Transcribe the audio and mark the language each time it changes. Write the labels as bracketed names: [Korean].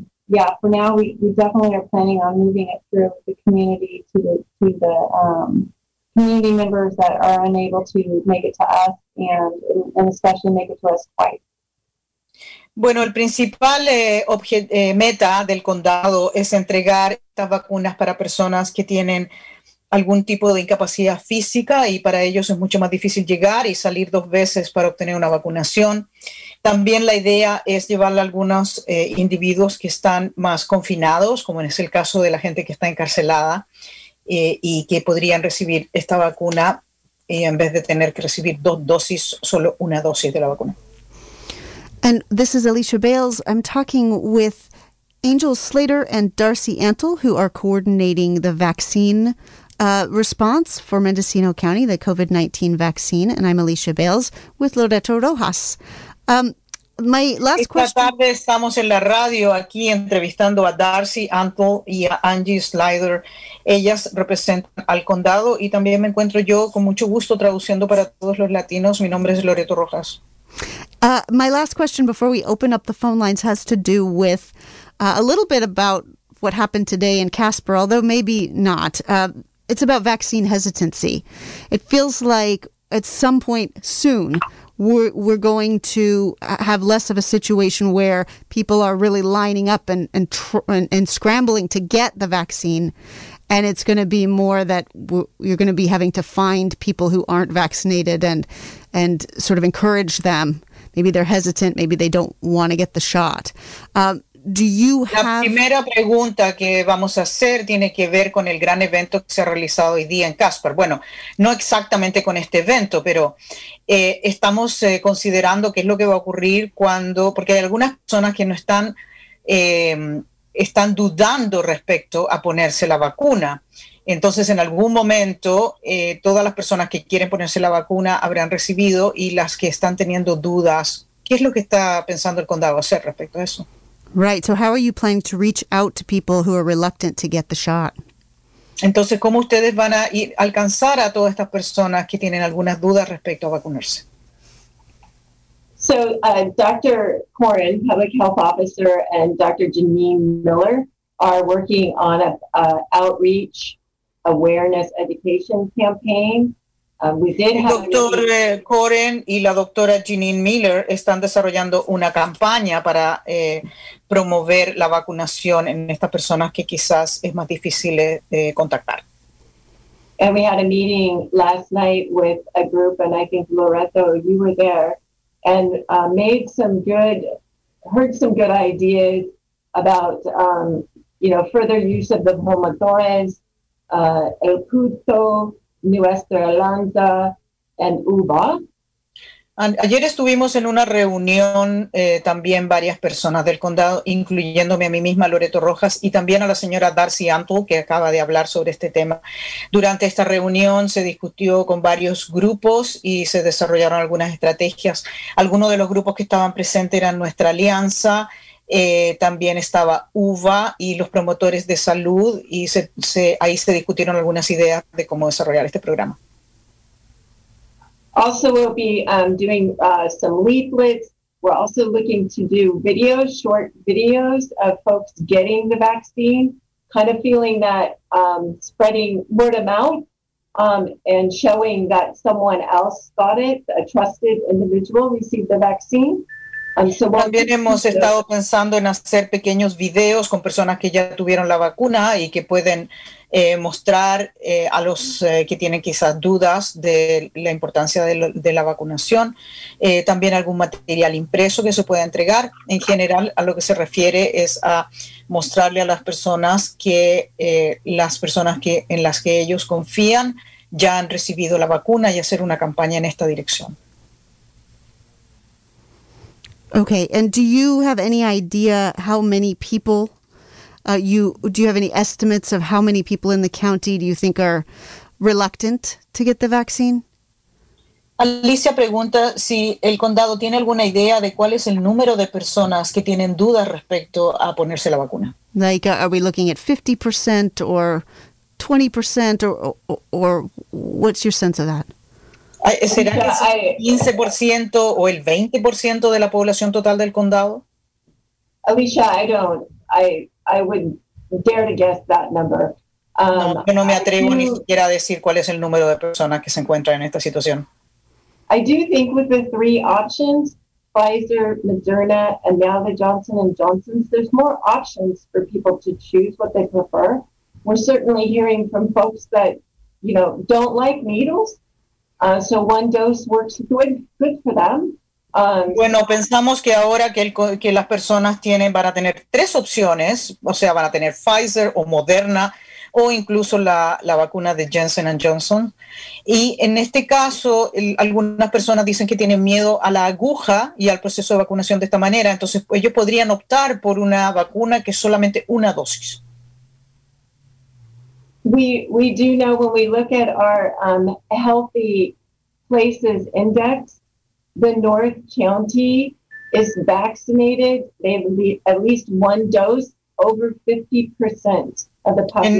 [English] Yeah, for now, we definitely are planning on moving it through the community to the community members that are unable to make it to us, and especially make it to us twice. [Spanish] Bueno, el principal meta del condado es entregar estas vacunas para personas que tienen algún tipo de incapacidad física, y para ellos es mucho más difícil llegar y salir dos veces para obtener una vacunación. También la idea es llevarle a algunos individuos que están más confinados, como es el caso de la gente que está encarcelada y que podrían recibir esta vacuna en vez de tener que recibir dos dosis, solo una dosis de la vacuna. [English] And this is Alicia Bales. I'm talking with Angel Slater and Darcy Antle, who are coordinating the vaccine response for Mendocino County, the COVID-19 vaccine. And I'm Alicia Bales with Loreto Rojas. My last [Spanish] Esta [English] question. [Spanish] Esta tarde estamos en la radio aquí entrevistando a Darcy Antle y a Angie Slider. Ellas representan al condado, y también me encuentro yo con mucho gusto traduciendo para todos los latinos. Mi nombre es Loreto Rojas. [English] My last question before we open up the phone lines has to do with a little bit about what happened today in Casper, although maybe not. It's about vaccine hesitancy. It feels like at some point soon we're going to have less of a situation where people are really lining up and scrambling to get the vaccine, and it's going to be more that you're going to be having to find people who aren't vaccinated and sort of encourage them. Maybe they're hesitant, maybe they don't want to get the shot. [Spanish] La primera pregunta que vamos a hacer tiene que ver con el gran evento que se ha realizado hoy día en Casper. Bueno, no exactamente con este evento, pero estamos considerando qué es lo que va a ocurrir cuando, porque hay algunas personas que no están, están dudando respecto a ponerse la vacuna. Entonces, en algún momento, todas las personas que quieren ponerse la vacuna habrán recibido, y las que están teniendo dudas, ¿qué es lo que está pensando el condado hacer respecto a eso? [English] Right. So how are you planning to reach out to people who are reluctant to get the shot? [Spanish] Entonces, ¿cómo ustedes van a ir a alcanzar a todas estas personas que tienen algunas dudas respecto a vacunarse? [English] So, Dr. Corin, Public Health Officer, and Dr. Janine Miller are working on a outreach awareness education campaign. [Spanish] Doctor Corin y la doctora Janine Miller están desarrollando una campaña para promover la vacunación en estas personas que quizás es más difícil de contactar. [English] And we had a meeting last night with a group, and I think Loreto, you were there, and heard some good ideas about, you know, further use of the pomodores, el puto, Nuestra Lanza and Uva. [Spanish] Ayer estuvimos en una reunión también varias personas del condado, incluyéndome a mí misma, Loreto Rojas, y también a la señora Darcy Antle, que acaba de hablar sobre este tema. Durante esta reunión se discutió con varios grupos y se desarrollaron algunas estrategias. Algunos de los grupos que estaban presentes eran Nuestra Alianza, también estaba UVA y los promotores de salud, y ahí se discutieron algunas ideas de cómo desarrollar este programa. [English] Also, we'll be doing some leaflets. We're also looking to do videos, short videos of folks getting the vaccine, kind of feeling that spreading word of mouth and showing that someone else got it, a trusted individual received the vaccine. [Spanish] También hemos estado pensando en hacer pequeños videos con personas que ya tuvieron la vacuna y que pueden mostrar a los que tienen quizás dudas de la importancia de la vacunación. También algún material impreso que se pueda entregar. En general, a lo que se refiere es a mostrarle a las personas que las personas que en las que ellos confían ya han recibido la vacuna y hacer una campaña en esta dirección. [English] Okay, and do you have any idea how many people do you have any estimates of how many people in the county do you think are reluctant to get the vaccine? [Spanish] Alicia pregunta si el condado tiene alguna idea de cuál es el número de personas que tienen dudas respecto a ponerse la vacuna. [English] Like, are we looking at 50% or 20% or what's your sense of that? [Spanish] ¿Será que es el 15% o el 20% de la población total del condado? [English] Alicia, I wouldn't dare to guess that number. [Spanish] Yo no me atrevo ni siquiera a decir cuál es el número de personas que se encuentran en esta situación. [English] I do think with the three options, Pfizer, Moderna, and now the Johnson & Johnson's, there's more options for people to choose what they prefer. We're certainly hearing from folks that, you know, don't like needles. So one dose works good for them. [Spanish] Bueno, pensamos que ahora que las personas van a tener tres opciones, o sea, van a tener Pfizer o Moderna o incluso la vacuna de Johnson & Johnson. Y en este caso, algunas personas dicen que tienen miedo a la aguja y al proceso de vacunación de esta manera. Entonces, ellos podrían optar por una vacuna que es solamente una dosis. [English] We do know when we look at our Healthy Places Index, the North County is vaccinated, they have at least one dose, over 50% of the population.